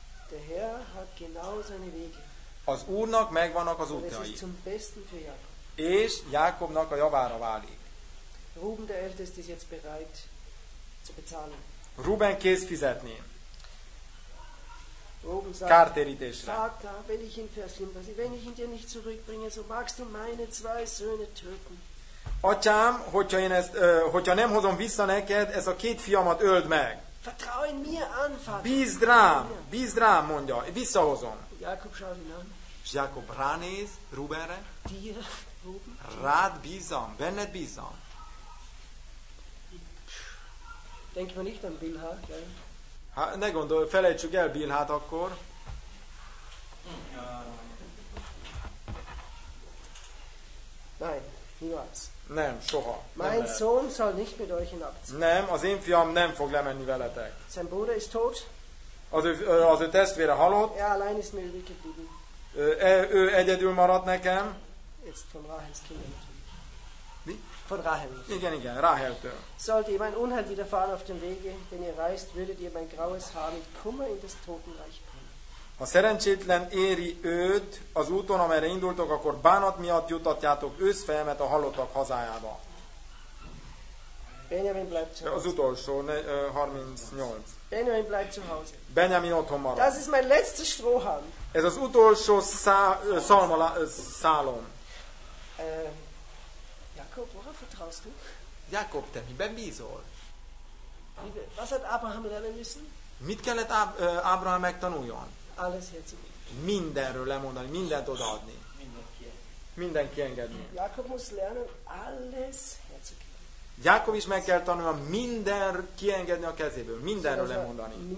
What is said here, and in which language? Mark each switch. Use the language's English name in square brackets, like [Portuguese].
[German] Der Herr hat genau seine Wege. [Hungarian] Az Úrnak megvannak az útjai. [German] Ez zum besten für Jakob. [Hungarian] És Jákobnak a javára válik. [German] Ruben der älteste ist jetzt bereit zu bezahlen. [Hungarian] Ruben kész fizetni. [German] Ruben sagt, [Hungarian] kártérítésre. [German] Vater, wenn ich ihn dir nicht zurückbringe, so magst du meine zwei Söhne töten. [Hungarian] Atyám, hogyha nem hozom vissza neked, ez a két fiamat öld meg. [German] Vertraue in mir an, Vater. [Hungarian] Bízd rám, mondja, visszahozom. [German] Jakob schaut ihn an. [Hungarian] És Jákob ránéz Rubenre. [German] Dir. [Hungarian] Rád bízom, benned bízom. [German] Denk mal nicht an Bilha, gell? [Hungarian] Ha, ne gondolj, felejtsük el Bilhát akkor. az. Nem, soha. [German] Mein Sohn soll nicht mit euch in Abzug. [Hungarian] Nem, az én fiam nem fog lemenni veletek. [German] Sein Bruder ist tot. [Hungarian] Az ő testvére halott. [German] Er allein ist mir geblieben. [Hungarian] Ő egyedül maradt nekem. [German] Jetzt von Rahels Kindern. [Hungarian] Mi? [German] Von Rahel. [Hungarian] Igen, Rahel-től. [German] Sollt ihr mein Unheil widerfahren auf dem Wege, den ihr reist, würdet ihr mein graues Haar mit Kummer in das Totenreich bringen. [Hungarian] Ha szerencsétlen éri őt az úton, amerre indultok, akkor bánat miatt jutatjátok őszfejemet a halottak hazájába. [German] Benjamin bleibt zu Hause. [Hungarian] Az utolsó, 38. [German] Benjamin bleibt zu Hause. [Hungarian] Benjamin otthon marad. [German] Das ist mein letzter Strohhalm. [Hungarian] Ez az utolsó szálom. [German] Jakob, worauf vertraust du? [Hungarian] Jakob, te miben bízol? [German] Was hat Abraham lernen müssen? [Hungarian] Mit kellett Abraham megtanuljon? [German] Alles herzugeben. [Hungarian] Mindenről lemondani, mindent odaadni. Mindenki engedni. [German] Jakob muss lernen, alles herzugeben. [Hungarian] Jákob is meg kell tanulni, minden kiengedni a kezéből, mindenről lemondani.